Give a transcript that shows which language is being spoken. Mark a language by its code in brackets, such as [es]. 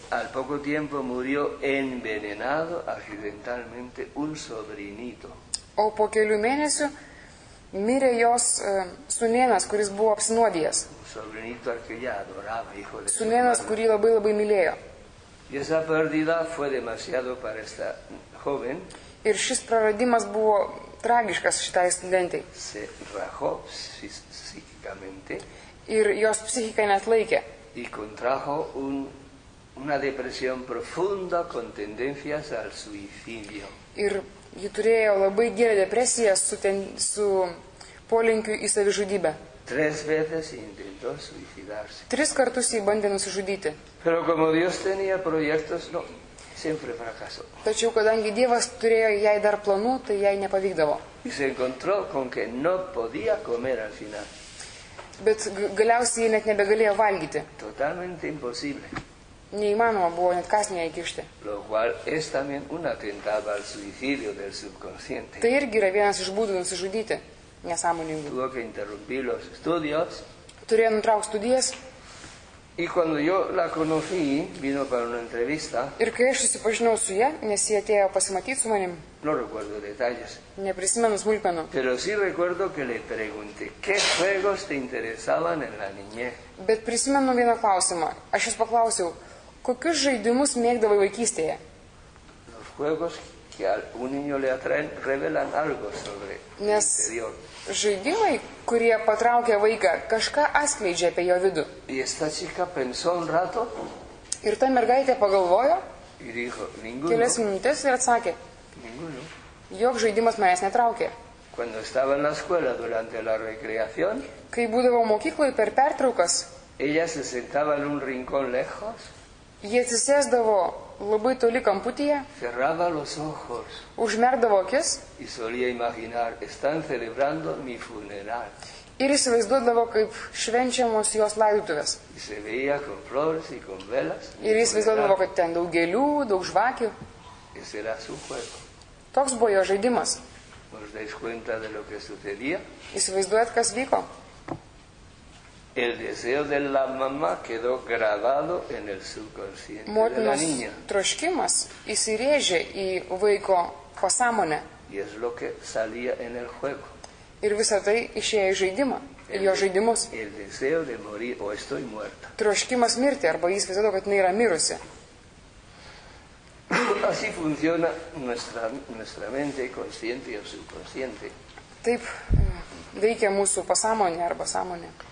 [es] Al poco tiempo murió envenenado accidentalmente un sobrinito. [lt] O po kelių mėnesių mirė jos sūnėnas, kuris buvo apsinuodijęs. [es] Sobrinito al que ella adoraba, hijo de su madre. [lt] Sūnėnas, kurį labai labai mylėjo. [es] Y esa pérdida fue demasiado para esta joven. [lt] Ir šis praradimas buvo tragiškas šitai studentei. [es] Se rajó psíquicamente. [lt] Ir jos psichika net laikė. [es] Y contrajo una depresión profunda con tendencias al suicidio. [lt] Ir ji turėjo labai gilią depresiją su polinkiu į savižudybę. [es] Tres veces intentó suicidarse. [lt] Tris kartus ji bandė nusižudyti. [es] Pero como Dios tenía proyectos, no, siempre fracasó. [lt] Tačiau kadangi Dievas turėjo jai dar planų, tai jai nepavykdavo. [es] Y se encontró con que no podía comer al final. [lt] Bet galiausiai net nebegalėjo valgyti. [es] Totalmente imposible. [lt] Neįmanoma buvo net kasnį įkišti. [es] Lo cual es también un atentado al suicidio del subconsciente. [lt] Tai irgi yra vienas iš būdų nusižudyti nesąmoningai. [es] Tuvo que interrumpir los estudios. [lt] Turėjo nutraukti studijas. [es] Y cuando yo la conocí, vino para una entrevista. [lt] Ir kai aš susipažinau su ja, nes ji atėjo pasimatyti su manim. [es] No recuerdo detalles. [lt] Neprisimenu smulkmenų. [es] Pero sí recuerdo que le pregunté, ¿qué juegos te interesaban en la niñez? [lt] Bet prisimenu vieną klausimą. Aš jis paklausiau, kokius žaidimus mėgdavai vaikystėje? [es] Los juegos que a un niño le atraen revelan algo sobre el interior. [lt] Nes žaidimai, kurie patraukia vaiką, kažką atskleidžia apie jo vidų. Ir ta mergaitė pagalvojo kelias minutės ir atsakė, jog žaidimas manęs netraukė. [es] Cuando estaba en la escuela durante la recreación, [lt] kai būdavo mokykloje per pertraukas, [es] ella se sentaba en un rincón lejos, [lt] ji atsisėsdavo labai toli kamputyje, [es] cerraba los ojos, [lt] užmerdavo akis, [es] y solía imaginar, están celebrando mi funeral. [lt] Ir įsivaizduodavo, kaip švenčiamos jos laidotuvės. [es] Y se veía con flores y con velas, [lt] ir įsivaizduodavo, kad ten daug gėlių, daug žvakių. [es] Ese era su juego. [lt] Toks buvo jo žaidimas. [es] ¿Os dais cuenta de lo que sucedía? [lt] ¿Įsivaizduojat, kas vyko? [es] El deseo de la mamá quedó grabado en el subconsciente [lt] Motinos [es] de la niña. [lt] Motinos troškimas įsirėžė į vaiko pasąmonę. [es] Y es lo que salía en el juego. [lt] Ir visa tai išėjo į žaidimą, [es] el [lt] jo žaidimus. [es] El deseo de morir o estoy muerta. [lt] Troškimas mirti, arba jis visada, kad jis yra mirusi. [es] Así funciona nuestra mente consciente o subconsciente. [lt] Taip veikia mūsų pasąmonė arba sąmonė.